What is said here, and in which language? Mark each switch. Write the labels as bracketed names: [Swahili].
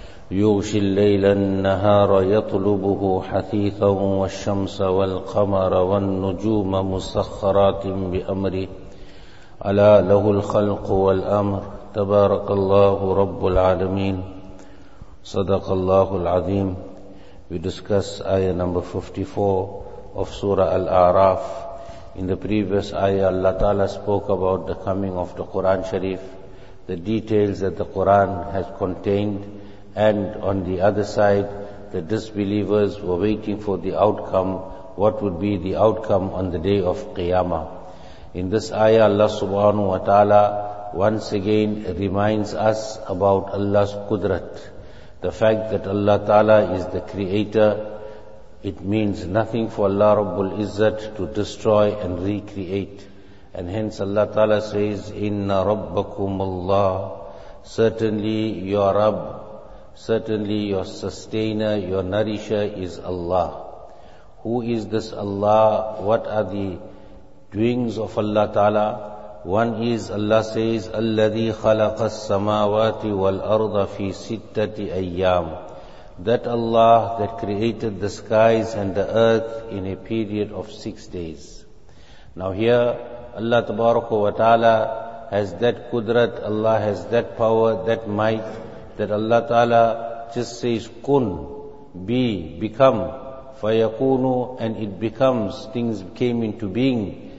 [Arabic] يغشي الليل النهار يطلبه حثيثا والشمس والقمر والنجوم مسخرات بأمره ألا له الخلق والأمر تبارك الله رب العالمين صدق الله العظيم. [English] We discuss ayah number 54 of Surah Al-A'raf. In the previous ayah, Allah Ta'ala spoke about the coming of the Quran Sharif, the details that the Quran has contained, and on the other side, the disbelievers were waiting for the outcome, what would be the outcome on the day of Qiyamah. In this ayah, Allah subhanahu wa ta'ala once again reminds us about Allah's Qudrat. The fact that Allah Ta'ala is the creator, it means nothing for Allah Rabbul Izzat to destroy and recreate. And hence Allah Ta'ala says, Inna Rabbakum Allah, certainly your Rabb, certainly your sustainer, your nourisher is Allah. Who is this Allah? What are the doings of Allah Ta'ala? One is Allah says, [Arabic] الَّذِي خَلَقَ السَّمَاوَاتِ وَالْأَرْضَ فِي سِتَّةِ أَيَّامٍ. [English] That Allah that created the skies and the earth in a period of 6 days. Now here, Allah Tabaraka wa Ta'ala has that Qudrat, Allah has that power, that might, that Allah Ta'ala just says, كُن, be, become, فَيَكُونُ, and it becomes, things came into being.